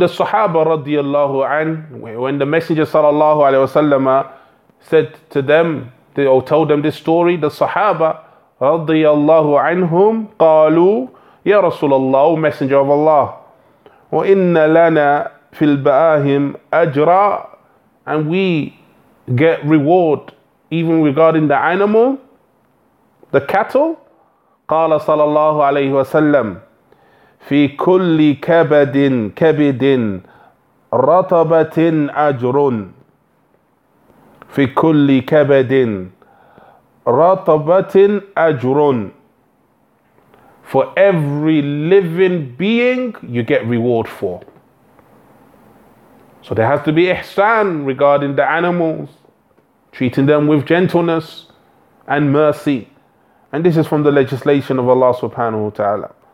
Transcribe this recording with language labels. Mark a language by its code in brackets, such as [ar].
[en] The Sahaba radiallahu anh, when the Messenger sallallahu alayhi wa sallam said to them, or told them this story, the Sahaba radiallahu anhum, قَالُوا. [ar] يَا رَسُولَ اللَّهُ, [en] Messenger of Allah. [ar] وَإِنَّ لَنَا فِي الْبَآهِمْ أَجْرًا. [en] And we get reward even regarding the animal, the cattle. [ar] قال صلى الله عليه وسلم في كل كبد رطبة أجر في كل كبد رطبة أجر. [en] For every living being you get reward for. So there has to be ihsan regarding the animals, treating them with gentleness and mercy. And this is from the legislation of Allah subhanahu wa ta'ala.